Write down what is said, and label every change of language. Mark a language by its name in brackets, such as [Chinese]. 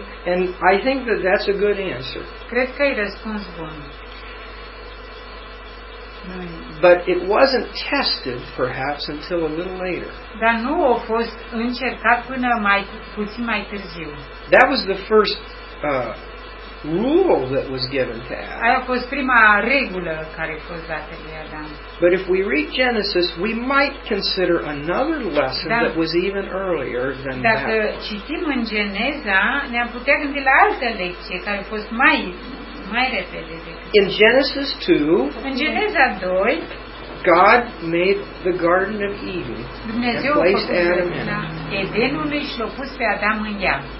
[English] And I think that that's a good answer. [Romanian] Cred că e răspuns bun. [English] But it wasn't tested, perhaps, until a little later. [Romanian] Dar nu a fost încercat până mai puțin mai târziu. [English] That was the first rule that was given to Adam. [Romanian] Aia a fost prima regulă care a fost dată lui Adam. [English] But if we read Genesis, we might consider another lesson that was even earlier than [Romanian] dacă [English] that. [Romanian] Dacă citim în Geneza, ne-am putea gândi la altă lecție care a fost mai repede. [English] In Genesis 2, [Romanian] in Geneza 2, [English] God made the Garden of Eden [Romanian] Dumnezeu [English] and placed Adam in it. [Romanian] Edenului și l-a pus pe Adam în ea.